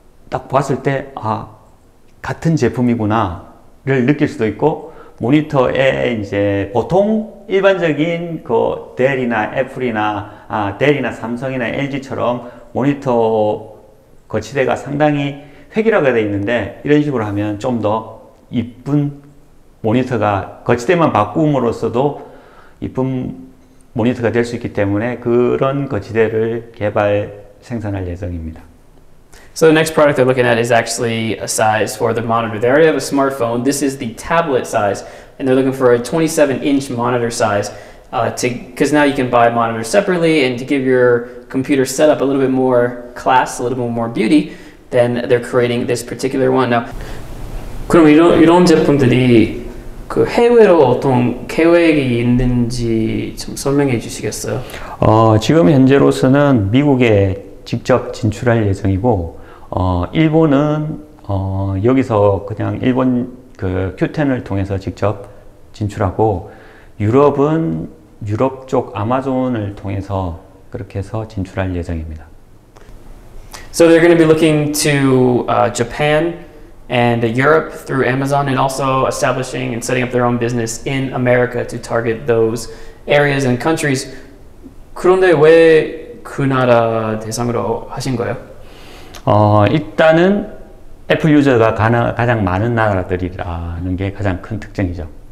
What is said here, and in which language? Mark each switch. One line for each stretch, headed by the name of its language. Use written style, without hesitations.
Korean: 딱 봤을 때 아, 같은 제품이구나를 느낄 수도 있고, 모니터에 이제 보통 일반적인 그 델이나 애플이나 델이나 삼성이나 LG처럼 모니터 거치대가 상당히 획일화가 되어 있는데, 이런 식으로 하면 좀 더 이쁜 모니터가, 거치대만 바꿈으로써도 이쁜 모니터가 될 수 있기 때문에 그런 거치대를 개발 생산할 예정입니다.
English: So the next product they're looking at is actually a size for the monitor. They already have a smartphone. This is the tablet size, and they're looking for a 27-inch monitor size because now you can buy monitors separately, and to give your computer setup a little bit more class, a little bit more beauty, then they're creating this particular one.
Korean: Now, 그럼 이런 제품들이 그 해외로 어떤 계획이 있는지 좀 설명해 주시겠어요? 지금 현재로서는 미국에 직접 진출할 예정이고, 일본은 여기서 그냥 일본 그 Q10을 통해서 직접 진출하고, 유럽은 유럽 쪽 아마존을 통해서 그렇게 해서 진출할 예정입니다. So they're going to be looking to Japan and Europe through Amazon, and also establishing and setting up their own business in America to target those areas and countries. 그런데 왜 그 나라 대상으로 하신 거예요? 일단은 애플 유저가 가장 많은 나라들이라는 게 가장 큰 특징이죠.